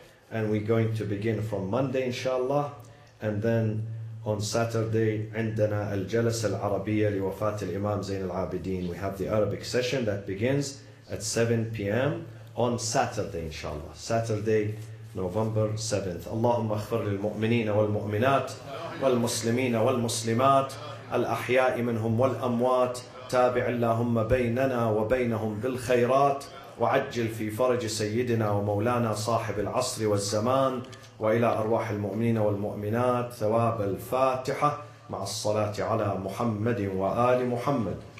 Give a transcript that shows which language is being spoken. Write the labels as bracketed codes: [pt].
[en] And we're going to begin from Monday, inshallah. And then on Saturday, [ar] عندنا الجلسة العربية لوفاة الإمام زين العابدين. [en] We have the Arabic session that begins at 7 p.m. on Saturday, inshallah. Saturday, November 7th. [ar] اللهم اغفر للمؤمنين والمؤمنات والمسلمين والمسلمات الأحياء منهم والأموات تابع اللهم بيننا وبينهم بالخيرات وعجل في فرج سيدنا ومولانا صاحب العصر والزمان وإلى أرواح المؤمنين والمؤمنات ثواب الفاتحة مع الصلاة على محمد وآل محمد.